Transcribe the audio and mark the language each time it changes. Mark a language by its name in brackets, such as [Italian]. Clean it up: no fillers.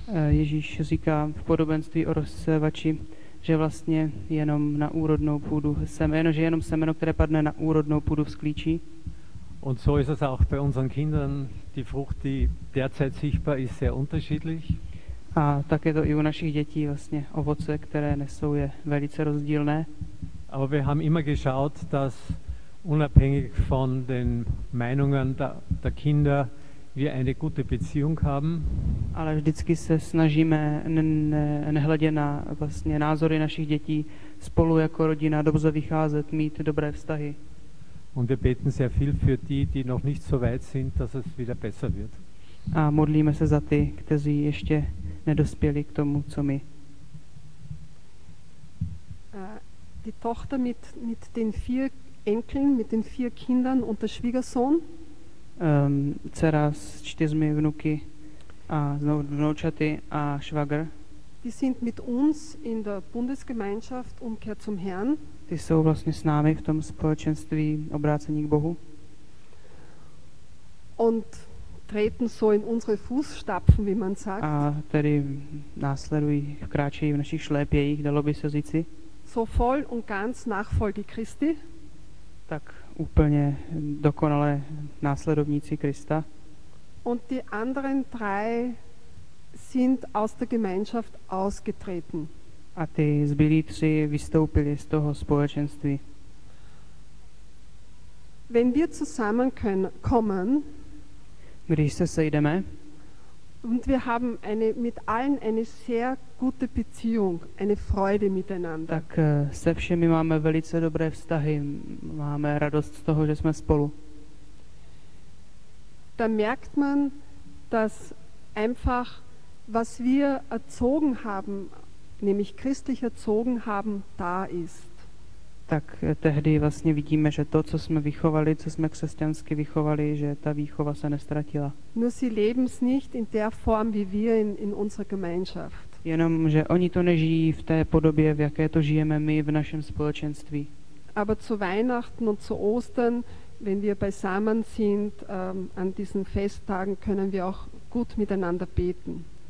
[Czech] Ježíš říká v podobenství o rozsévači, že vlastně jenom na úrodnou půdu semeno, že jenom semeno, které padne na úrodnou půdu, vzklíčí. [German] Und so ist es auch bei unseren Kindern, die Frucht, die derzeit sichtbar ist, sehr unterschiedlich. [Czech] A tak je to i u našich dětí vlastně, ovoce, které nesou, je velice rozdílné. [German] Aber wir haben immer geschaut, dass unabhängig von den Meinungen der Kinder wir eine gute Beziehung haben. [Czech] Ale vždycky se snažíme nehledě na vlastně názory našich dětí spolu jako rodina dobře vycházet, mít dobré vztahy. [German] Und wir beten sehr viel für die, die noch nicht so weit sind, dass es wieder besser wird. [Czech] A modlíme se za ty, kteří ještě nedospěli k tomu, co my. [German] Die Tochter mit den vier Enkeln, mit den vier Kindern und der Schwiegersohn. [Czech] Dcera s čtyřmi vnuky a vnoučaty a švagr. [German] Die sind mit uns in der Bundesgemeinschaft Umkehr zum Herrn. [Czech] Ty jsou vlastně s námi v tom společenství obrácení k Bohu. [German] Und treten so in unsere Fußstapfen, wie man sagt. [Czech] A tedy následují, kráčejí v našich šlépějích, dalo by se říci. [German] So voll und ganz Nachfolge Christi. [Czech] Tak úplně dokonale následovníci Krista. [German] Und die anderen drei sind aus der Gemeinschaft ausgetreten. [Czech] A ty zbylí tři vystoupili z toho společenství. [German] Wenn wir zusammen können, kommen, [Czech] když se sejdeme, [German] und wir haben eine, mit allen eine sehr gute Beziehung, eine Freude miteinander. [Czech] Tak se všemi máme velice dobré vztahy, máme radost z toho, že jsme spolu. [German] Da merkt man, dass einfach, was wir erzogen haben, nämlich christlich erzogen haben, da ist. [Czech] Tak tehdy vlastně vidíme, že to, co jsme vychovali, co jsme křesťansky vychovali, že ta výchova se nestratila. [German] Nur sie leben es nicht in der Form, wie wir in unserer Gemeinschaft. [Czech] Jenom, že oni to nežijí v té podobě, v jaké to žijeme my v našem společenství. [German] Aber zu Weihnachten und zu Ostern, wenn wir beisammen sind, an diesen Festtagen, können wir auch gut miteinander beten.